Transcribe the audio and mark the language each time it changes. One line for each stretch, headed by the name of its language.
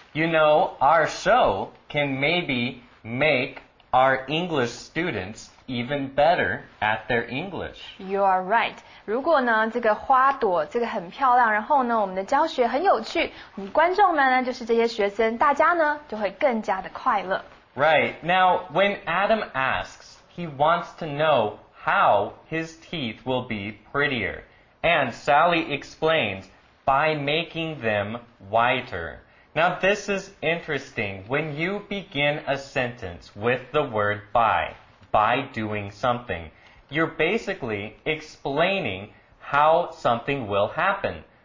English: You know, our show can maybe make our English students even better at their English. You are right.
Chinese: 如果呢，这个花朵这个很漂亮，然后呢，我们的教学很有趣，我们观众们呢，就是这些学生，大家呢，就会更加的快乐。
English: Right. Now, when Adam asks, he wants to know how his teeth will be prettier. And Sally explains, by making them whiter. Now, this is interesting. When you begin a sentence with the word by doing something, you're basically explaining how something will happen.